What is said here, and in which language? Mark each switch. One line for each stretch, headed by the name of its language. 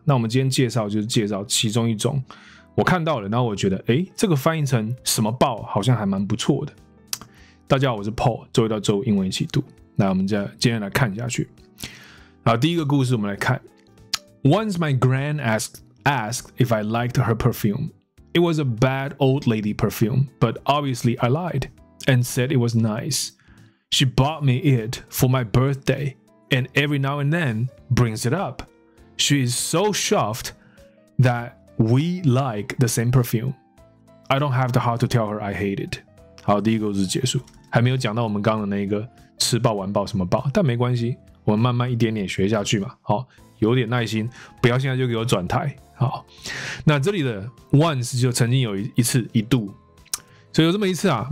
Chinese: 那我们今天介绍就是介绍其中一种，我看到了，然后我觉得，哎，这个翻译成什么爆好像还蛮不错的。大家好，我是 Paul， 周一到周五英文一起读。那我们再今天来看下去。好，第一个故事我们来看。
English: Once my gran asked if I liked her perfume. It was a bad old lady perfume, but obviously I lied and said it was nice. She bought me it for my birthday and every now and then brings it up. She is so chuffed that we like the same perfume. I don't have the heart to tell her I hate it.
Chinese: 好，第一个故事结束，还没有讲到我们刚刚的那个吃爆玩爆什么爆，但没关系，我们慢慢一点点学下去嘛。好，有点耐心，不要现在就给我转台。好，那这里的 once 就曾经有一次一度，所以有这么一次啊。